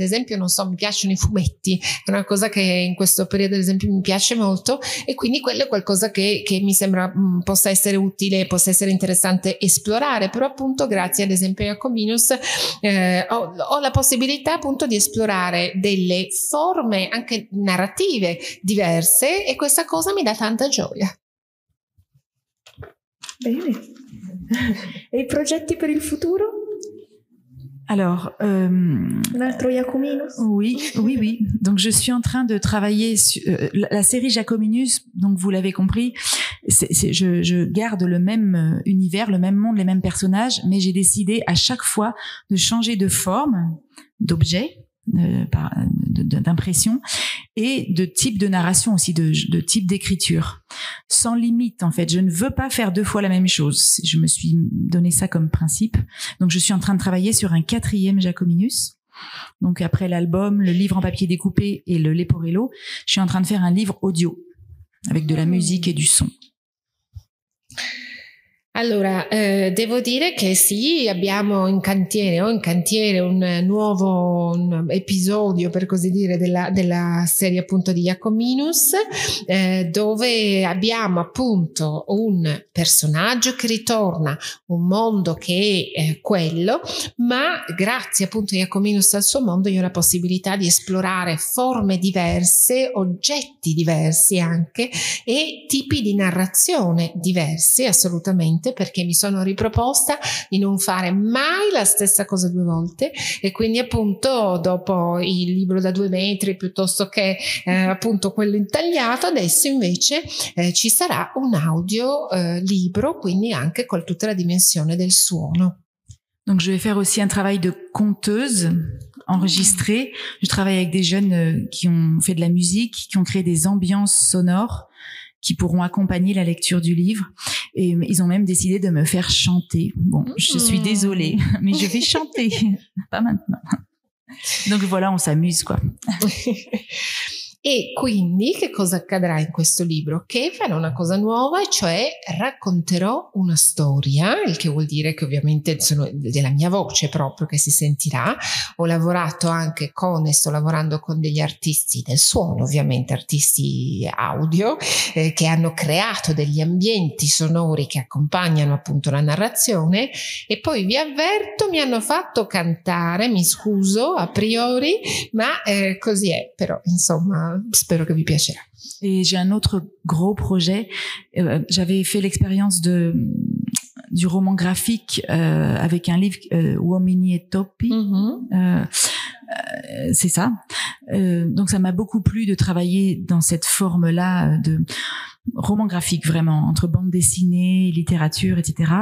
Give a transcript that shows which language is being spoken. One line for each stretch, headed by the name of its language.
Italian: Ad esempio, non so, mi piacciono i fumetti, è una cosa che in questo periodo ad esempio mi piace molto, e quindi quello è qualcosa che mi sembra possa essere utile, possa essere interessante esplorare, però appunto grazie ad esempio a Jacominus ho la possibilità appunto di esplorare delle forme anche narrative diverse, e questa cosa mi dà tanta gioia. Bene. E i progetti per il futuro?
French: Alors,
Italian: un altro Jacominus?
French: Oui, oui, oui. Donc, je suis en train de travailler sur la série Jacominus. Donc, vous l'avez compris, je garde le même univers, le même monde, les mêmes personnages, mais j'ai décidé à chaque fois de changer de forme, d'objet, d'impression et de type de narration aussi, de type d'écriture. Sans limite, en fait. Je ne veux pas faire deux fois la même chose. Je me suis donné ça comme principe. Donc, je suis en train de travailler sur un quatrième Jacominus. Donc, après l'album, le livre en papier découpé et le Leporello, je suis en train de faire un livre audio avec de la musique et du son.
Italian: Allora, devo dire che sì, abbiamo in cantiere, un nuovo episodio, per così dire, della serie appunto di Jacominus, dove abbiamo appunto un personaggio che ritorna, un mondo che è quello, ma grazie appunto a Jacominus e al suo mondo io ho la possibilità di esplorare forme diverse, oggetti diversi anche, e tipi di narrazione diversi assolutamente, perché mi sono riproposta di non fare mai la stessa cosa due volte, e quindi appunto dopo il libro da 2 metri piuttosto che appunto quello intagliato, adesso invece ci sarà un audio libro, quindi anche con tutta la dimensione del suono.
French: Donc je vais faire aussi un travail de conteuse enregistrée. Je travaille avec des jeunes qui ont fait de la musique, qui ont créé des ambiances sonores qui pourront accompagner la lecture du livre. Et ils ont même décidé de me faire chanter. Bon, je suis désolée, mais je vais chanter. Pas maintenant. Donc voilà, on s'amuse, quoi.
Italian: E quindi che cosa accadrà in questo libro? Che farò una cosa nuova, cioè racconterò una storia, il che vuol dire che ovviamente sono della mia voce proprio che si sentirà. Ho lavorato anche con e sto lavorando con degli artisti del suono, ovviamente artisti audio, che hanno creato degli ambienti sonori che accompagnano appunto la narrazione. E poi vi avverto, mi hanno fatto cantare, mi scuso a priori, ma così è, però insomma... Spero
French: que vous plaisiez. Et j'ai un autre gros projet. J'avais fait l'expérience du roman graphique avec un livre, Uomini e Topi. C'est ça. Donc ça m'a beaucoup plu de travailler dans cette forme-là de roman graphique, vraiment, entre bande dessinée, littérature, etc.